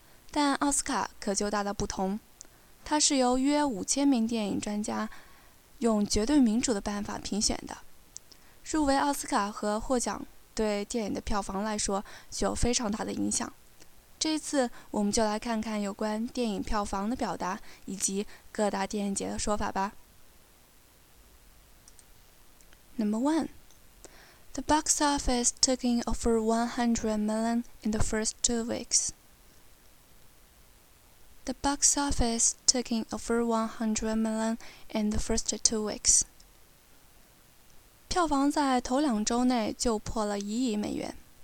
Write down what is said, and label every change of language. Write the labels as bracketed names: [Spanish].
[Chinese] 但奥斯卡可就大大不同，它是由约5000名电影专家用绝对民主的办法评选的。入围奥斯卡和获奖对电影的票房来说具有非常大的影响。这一次我们就来看看有关电影票房的表达以及各大电影节的说法吧。 [English] Number one, the box office took in over 100 million in the first 2 weeks. The box office took in over 100 million in the first 2 weeks. [Chinese] 票房在头两周内就破了1亿美元。